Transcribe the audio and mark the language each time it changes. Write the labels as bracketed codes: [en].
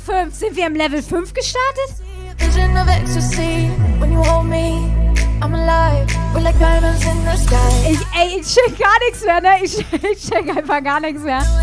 [de] Sind wir im Level 5 gestartet? [en] Vision of ecstasy, when you hold me, I'm alive, we're like diamonds in the sky. [de] Ich check gar nichts mehr, ne? Ich check einfach gar nichts mehr.